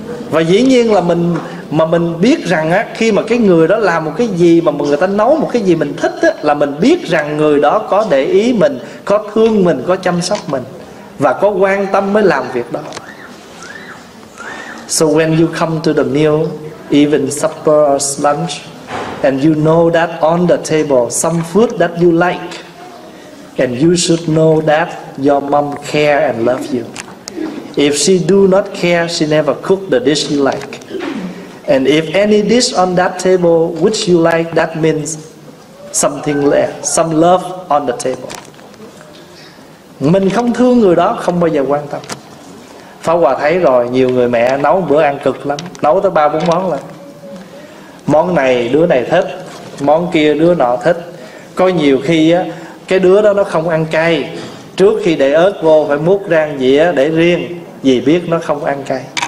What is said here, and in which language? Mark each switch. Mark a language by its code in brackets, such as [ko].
[vi] Và dĩ nhiên là mình, mà mình biết rằng á, khi mà cái người đó làm một cái gì mà người ta nấu một cái gì mình thích á, là mình biết rằng người đó có để ý mình, có thương mình, có chăm sóc mình và có quan tâm mới làm việc đó. [en] So when you come to the meal, even supper or lunch, and you know that on the table some food that you like, and you should know that your mom care and love you. If she do not care, she never cook the dish you like. And if any dish on that table which you like, that means something less, some love on the table. [vi] Mình không thương người đó không bao giờ quan tâm. Pháp Hòa thấy rồi, nhiều người mẹ nấu bữa ăn cực lắm, nấu tới 3-4 món lận. Món này đứa này thích, món kia đứa nọ thích. Có nhiều khi á, cái đứa đó nó không ăn cay, trước khi để ớt vô phải múc ra dĩa để riêng vì biết nó không ăn cay.